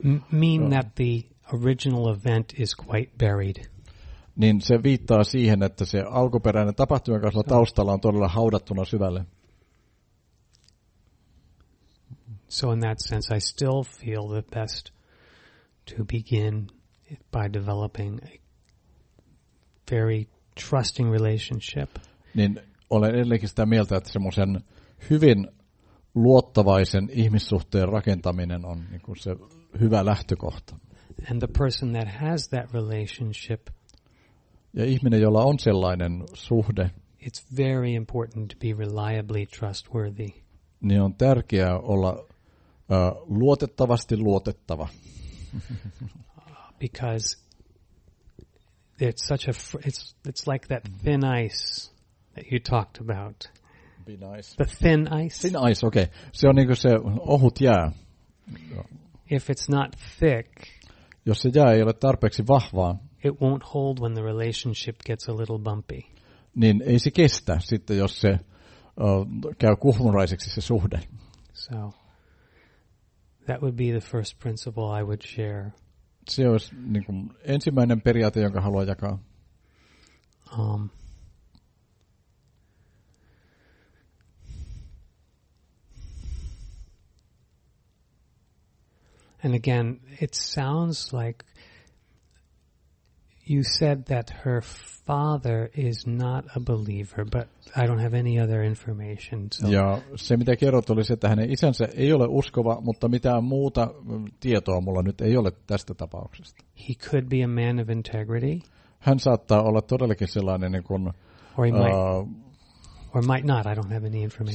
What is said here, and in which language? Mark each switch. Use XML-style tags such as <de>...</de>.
<en>Mean that the original event is quite buried.</en> <fi>Niin se viittaa siihen, että se alkuperäinen tapahtuman kanssa taustalla on todella haudattuna syvälle.</fi> <en>So in that sense I still feel the best to begin by developing a very trusting relationship.</en> <fi>Niin olen edelleenkin sitä mieltä, että semmoisen hyvin luottavaisen ihmissuhteen rakentaminen on niin kuin se hyvä lähtökohta.</fi> <en>And the person that has that relationship.</en> <fi>Ja ihminen, jolla on sellainen suhde.</fi> <en>It's very important to be reliably trustworthy.</en> <fi>Niin on tärkeää olla luotettavasti luotettava.</fi> <en>Because it's such a it's like that thin ice that you talked about. Be nice. The thin ice. Thin ice, okay.</en> <fi>Se on niinku se ohut jää.</fi> <en>If it's not thick.</en> <fi>Jos se jää ei ole tarpeeksi vahvaa.</fi> <en>It won't hold when the relationship gets a little bumpy.</en> <fi>Niin ei se kestä sitten jos se käy kuhmuraiseksi se suhde.</fi> <en>So that would be the first principle I would share.</en> <fi>Se olisi niin kuin ensimmäinen periaate, jonka haluan jakaa.</fi> <en>And again, it sounds like you said that her father is not a believer, but I don't have any other information. So.</en> <fi>Ja se, mitä kerrot, oli se, että hänen isänsä ei ole uskova, mutta mitään muuta tietoa mulla nyt ei ole tästä tapauksesta.</fi> <en>He could be a man of integrity.</en> <fi>Hän saattaa olla todellakin sellainen niin kuin,</fi> <en>or might not, I don't have any information.</en>